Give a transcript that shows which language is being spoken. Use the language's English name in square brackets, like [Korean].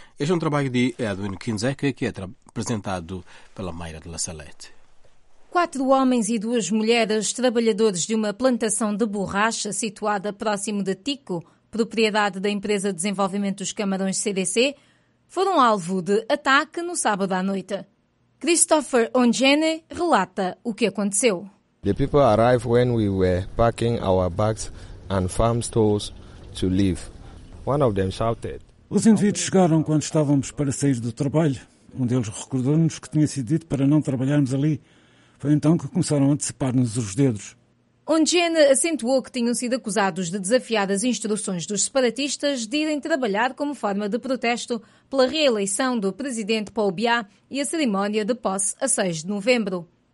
[Portuguese] Este é um trabalho de Edwin Kinzeka, que é apresentado pela Mayra de La Salette. 4 homens e 2 mulheres, trabalhadores de uma plantação de borracha situada próximo de Tico, propriedade da empresa de desenvolvimento dos camarões CDC, foram alvo de ataque no sábado à noite. Christopher Ongene relata o que aconteceu. [English] The people arrived when we were packing our bags and farm stores to leave. One of them shouted. [Portuguese] Os indivíduos chegaram quando estávamos para sair do trabalho. Um deles recordou-nos que tinha sido dito para não trabalharmos ali. Foi então que começaram a decepar-nos os dedos. Ongene acentuou que tinham sido acusados de desafiar as instruções dos separatistas de irem trabalhar como forma de protesto pela reeleição do presidente Paul Biya e a cerimónia de posse a 6 de novembro.